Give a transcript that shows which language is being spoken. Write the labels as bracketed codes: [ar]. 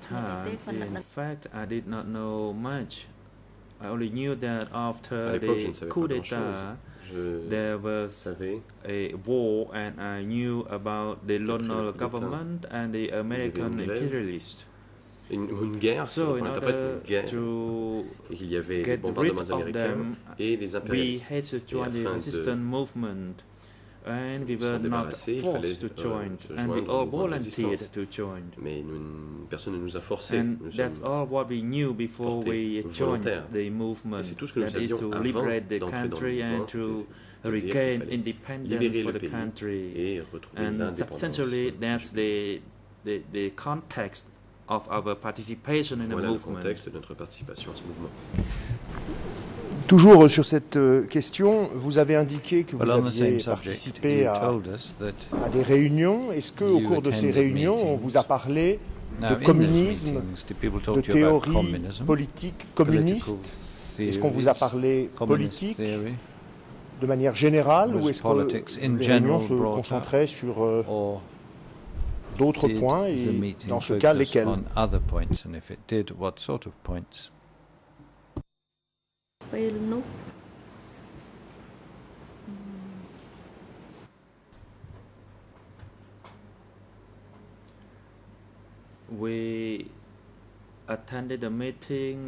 [en] time, in fact, I did not know much. I only knew that after the coup d'état, there was a war, and I knew about the Lonnol government and the American imperialists. [fr] Une guerre, si on interprète une guerre, il y avait des bombardements américains et les impérialistes. Et afin de se débarrasser, il fallait se joindre au mouvement de résistance. Mais personne ne nous a forcé, nous sommes portés volontaires. Et c'est tout ce que nous savions avant d'entrer dans le mouvement, c'est-à-dire qu'il fallait libérer le pays et retrouver l'indépendance. [en] Of our participation in the movement. [fr] Voilà le contexte de notre participation à ce mouvement. Toujours sur cette question, vous avez indiqué que vous aviez participé à des réunions. Est-ce que, au cours de ces réunions, on vous a parlé de communisme, de théorie politique communiste? Est-ce qu'on vous a parlé politique de manière générale ou est-ce que les réunions se concentraient sur d'autres points et dans ce cas lesquels? [en] On other points, and if it did, what sort of points? We attended a meeting.